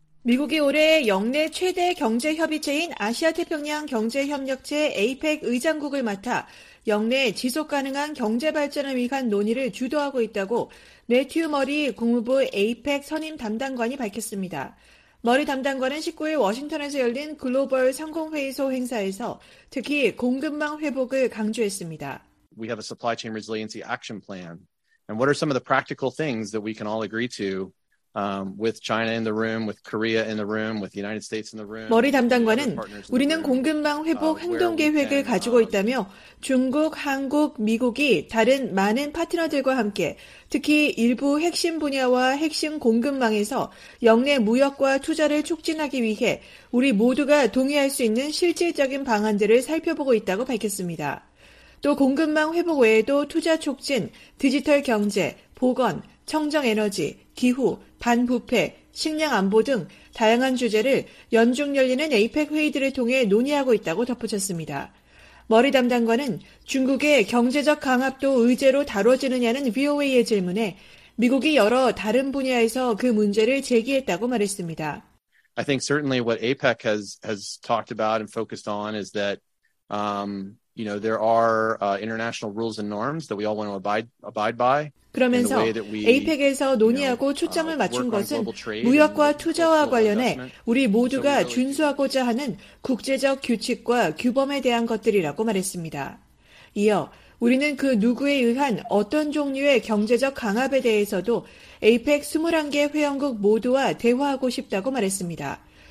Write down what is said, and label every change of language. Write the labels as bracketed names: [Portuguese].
[Korean] 미국이 올해 역내 최대 경제협의체인 아시아태평양 경제협력체 APEC 의장국을 맡아 역내 지속가능한 경제발전을 위한 논의를 주도하고 있다고 매튜 머리 국무부 APEC 선임 담당관이 밝혔습니다. 머리 담당관은 19일 워싱턴에서 열린 글로벌 상공회의소 행사에서 특히 공급망 회복을 강조했습니다. [English] We have a supply chain resiliency action plan. And what are some of the practical things that we can all agree to? With China in the room, with Korea in the room, with the United States in the room. [Korean] 머리 담당관은 우리는 공급망 회복 행동 계획을 가지고 있다며 중국, 한국, 미국이 다른 많은 파트너들과 함께 특히 일부 핵심 분야와 핵심 공급망에서 역내 무역과 투자를 촉진하기 위해 우리 모두가 동의할 수 있는 실질적인 방안들을 살펴보고 있다고 밝혔습니다. 또 공급망 회복 외에도 투자 촉진, 디지털 경제, 보건, 청정 에너지, 기후, 반부패, 식량 안보 등 다양한 주제를 연중 열리는 APEC 회의들을 통해 논의하고 있다고 덧붙였습니다. 머리 담당관은 중국의 경제적 강압도 의제로 다뤄지느냐는 VOA의 질문에 미국이 여러 다른 분야에서 그 문제를 제기했다고 말했습니다. [English] I think certainly what APEC has talked about and focused on is that you know there are international rules and norms that we all want to abide by. [Korean] 그러면서 APEC에서 논의하고 초점을 맞춘 것은 무역과 투자와 관련해 우리 모두가 준수하고자 하는 국제적 규칙과 규범에 대한 것들이라고 말했습니다. 이어 우리는 그 누구에 의한 어떤 종류의 경제적 강압에 대해서도 APEC 21개 회원국 모두와 대화하고 싶다고 말했습니다.